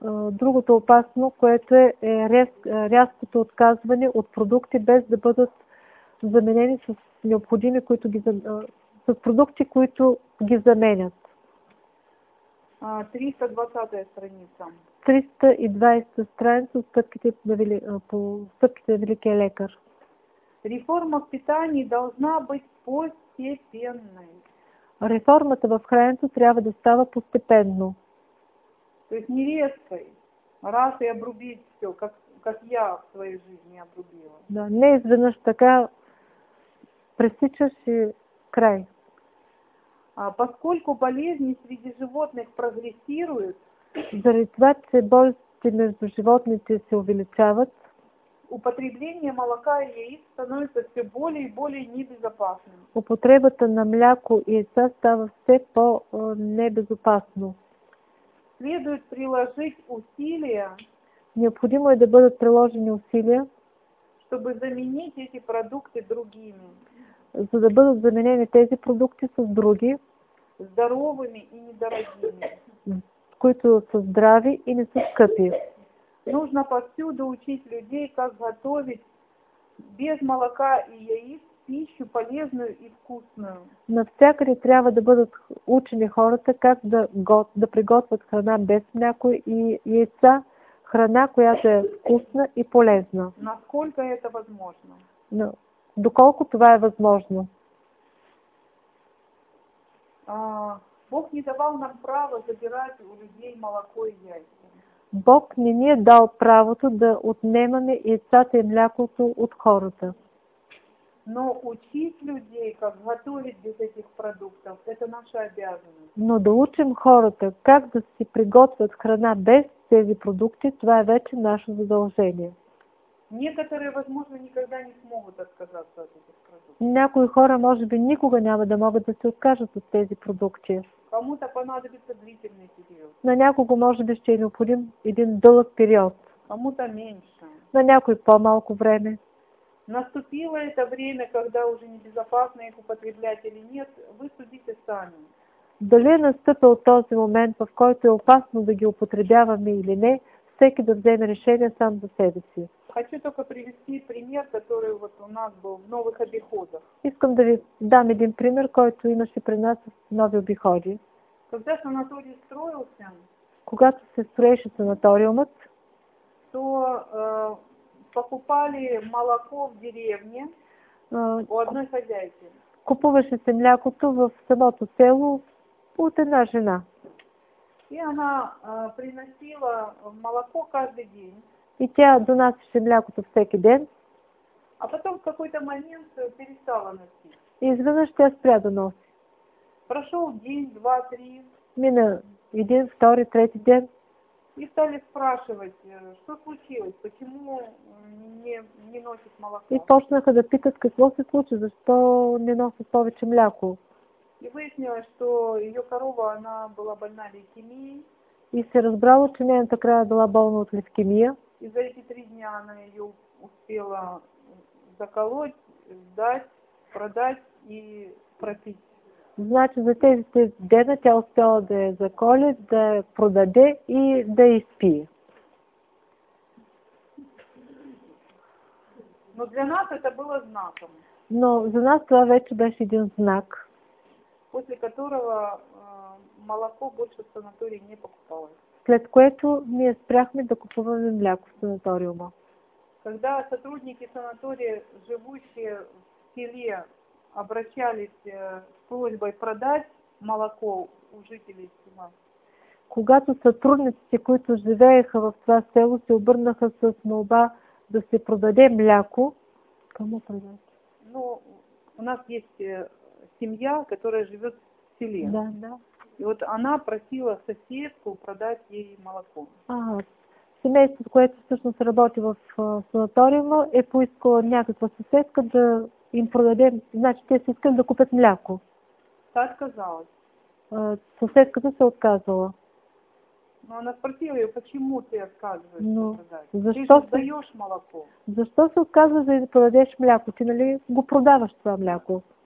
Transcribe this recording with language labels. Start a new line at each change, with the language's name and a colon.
Bulgarian: Другото опасно, което е рязкото отказване от продукти, без да бъдат заменени с необходими, които ги с продукти, които ги заменят.
Russian: 320-я страница.
Bulgarian: 320-та страница по стъпките на Великия лекар.
Russian: Реформа в питании должна быть постепенной.
Bulgarian: Реформата в храненето трябва да става постепенно.
Russian: То есть не резкой, раз и обрубить все, как я в своей жизни обрубила.
Bulgarian: Да, не изведнъж така пресичаш и край.
Russian: А поскольку болезни среди животных прогрессируют,
Bulgarian: заради това, че болести между животните се увеличават,
Russian: употребление молока и яиц становится все более и более небезопасным.
Bulgarian: Употребата на мляко и яйца става все по-небезопасно.
Russian: Следует приложить усилия.
Bulgarian: Необходимо е да бъдат приложени усилия,
Russian: чтобы заменить эти продукты другими.
Bulgarian: За да бъдат заменени тези продукти с други.
Russian: Здоровыми и недорогими.
Bulgarian: Които са здрави и не са скъпи.
Russian: Нужно повсюду учить людей, как готовить без молока и яиц пищу полезную и вкусную.
Bulgarian: Навсякъде трябва да бъдат учени хората как да приготвят храна без мляко и яйца, храна, която е вкусна и полезна.
Russian: Насколько это возможно?
Bulgarian: Но, доколко това е възможно?
Russian: Бог не давал нам право забирать у людей молоко и яйца.
Bulgarian: Бог не ни е дал правото да отнемаме яйцата и млякото от хората.
Russian: Но учить людей, как готовить без этих продуктов, это наша обязанность.
Bulgarian: Но да учим хората, как да си приготвят храна без тези продукти, това е вече наше задължение.
Russian: Некоторые, возможно, никогда не смогут отказаться от этих продуктов.
Bulgarian: Някои хора, може би, никога няма да могат да се откажат от тези продукти.
Russian: Кому-то понадобится длительный период.
Bulgarian: На някого, може би, ще е необходим един дълъг период.
Russian: Кому-то меньше.
Bulgarian: На някой по-малко време.
Russian: Наступило это время, когда уже небезопасно их употреблять или нет, вы судите сами.
Bulgarian: Дали е настъпил този момент, в който е опасно да ги употребяваме или не, всеки да вземе решение сам за себе си.
Russian: Хочу только привести пример, который вот у нас был в новых обиходах.
Bulgarian: Искам да ви дам един пример, който имаше при нас в нови обиходи.
Russian: Когда санаторий строился,
Bulgarian: когато се строеше санаториумът,
Russian: то покупали молоко в деревне у одной хозяйки.
Bulgarian: Купуваше се млякото в самото село от една жена.
Russian: И она приносила молоко каждый день.
Bulgarian: И тя донасеше млякото всеки ден.
Russian: А потом в какой-то момент перестала носить.
Bulgarian: И изведнъж тя спря да носи.
Russian: Прошел день, два, три.
Bulgarian: Мина един, втори, трети ден.
Russian: И стали спрашивать, что случилось, почему не носит молоко.
Bulgarian: И почнаха да питат какво се случи, защо не носят повече мляко.
Russian: И выяснилось, что ее корова, она была больна лейкемией.
Bulgarian: И се разбрало, че нейната крава била болна от лейкемия.
Russian: И за эти три дня она ее успела заколоть, сдать, продать и пропить.
Bulgarian: Значит, за тези три дена тя успела да я заколи, да продаде и да изпи.
Russian: Но для нас это было знаком.
Bulgarian: Но за нас това вече беше един знак.
Russian: После которого молоко больше в санатории не покупалось.
Bulgarian: След което ние спряхме да купуваме мляко в санаториума.
Russian: Когда сотрудники санатория, живущие в селе, обращались с просьбой продать молоко у жителей села.
Bulgarian: Когато сътрудниците, които живееха в това село, се обърнаха с молба да се продаде мляко. Кому продаде?
Russian: Ну, у нас есть семья, которая живет в селе. Да, да. И вот она просила соседку продать ей молоко. Ага.
Bulgarian: Семейство, което всъщност работи в санаториума, е поискало някаква съседка да им продаде, значи те си искали да купят мляко.
Russian: Та отказалась.
Bulgarian: Съседката се отказала.
Russian: Но она спросила ее, почему ты отказываешься
Bulgarian: Но...
Russian: продать?
Bulgarian: Защо
Russian: ты же даешь молоко.
Bulgarian: Защо се отказва да продадеш мляко? Ты, нали, го продаваш това мляко?